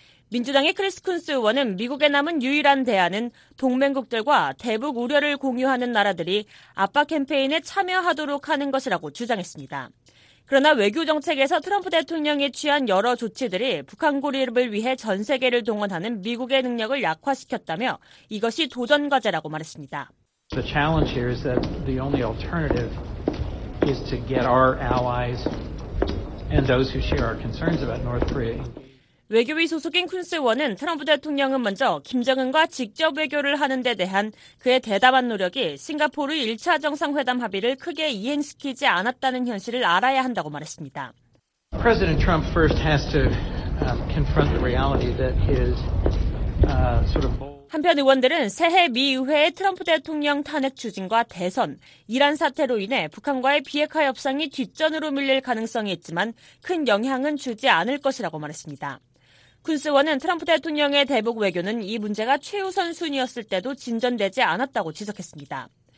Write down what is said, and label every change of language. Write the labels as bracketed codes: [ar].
[ko] 민주당의 크리스 쿤스 의원은 미국에 남은 유일한 대안은 동맹국들과 대북 우려를 공유하는 나라들이 압박 캠페인에 참여하도록 하는 것이라고 주장했습니다. 그러나 외교 정책에서 트럼프 대통령이 취한 여러 조치들이 북한 고립을 위해 전 세계를 동원하는 미국의 능력을 약화시켰다며 이것이 도전 과제라고 말했습니다. [en] The challenge here is that the only alternative is to get our allies and those who share our concerns about North Korea. [ko] 외교위 소속인 쿤스원은 트럼프 대통령은 먼저 김정은과 직접 외교를 하는 데 대한 그의 대담한 노력이 싱가포르 1차 정상회담 합의를 크게 이행시키지 않았다는 현실을 알아야 한다고 말했습니다. [en] President Trump first has to confront the reality that his sort of [ko] 한편 의원들은 새해 미 의회의 트럼프 대통령 탄핵 추진과 대선, 이란 사태로 인해 북한과의 비핵화 협상이 뒷전으로 밀릴 가능성이 있지만 큰 영향은 주지 않을 것이라고 말했습니다. 쿤스원은 트럼프 대통령의 대북 외교는 이 문제가 최우선 순위였을 때도 진전되지 않았다고 지적했습니다.